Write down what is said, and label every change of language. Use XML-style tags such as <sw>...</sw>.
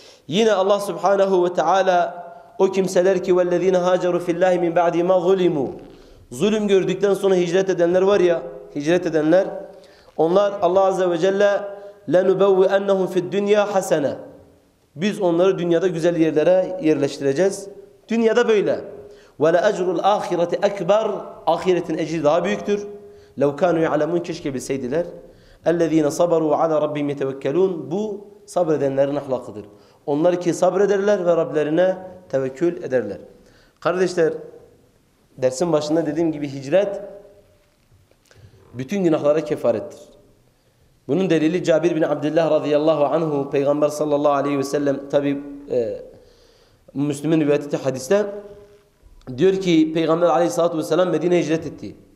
<tr>Yine Allah Subhanahu ve Teala, o kimseler ki</tr> <ar>vellezine haceru fillahi min ba'di ma zulimu,</ar> <tr>zulüm gördükten sonra hicret edenler var ya, hicret edenler, onlar Allah Azze ve Celle</tr> <ar>لَنُبَوِّئَنَّهُمْ فِي الدُّنْيَا حَسَنَا,</ar> <tr>biz onları dünyada güzel yerlere yerleştireceğiz. Dünyada böyle.</tr> <ar>وَلَأَجْرُ الْآخِرَةِ اَكْبَرُ,</ar> <tr>ahiretin ecri daha büyüktür.</tr> <ar>لَوْ كَانُوا يَعْلَمُونَ,</ar> <tr>keşke bilseydiler.</tr> <ar>اَلَّذ۪ينَ صَبَرُوا عَلَى رَبِّهِمْ يَتَوَكَّلُونَ,</ar> <tr>bu sabredenlerin ahlakıdır. Onlar ki sabrederler ve Rablerine tevekkül ederler. Kardeşler, dersin başında dediğim gibi hicret bütün günahlara kefarettir. Bunun delili Cabir bin Abdullah radıyallahu anhu, Peygamber sallallahu aleyhi ve sellem, tabi Müslüm'ün rivayet ettiği hadiste diyor ki Peygamber aleyhissalatu vesselam Medine'ye hicret etti.</tr>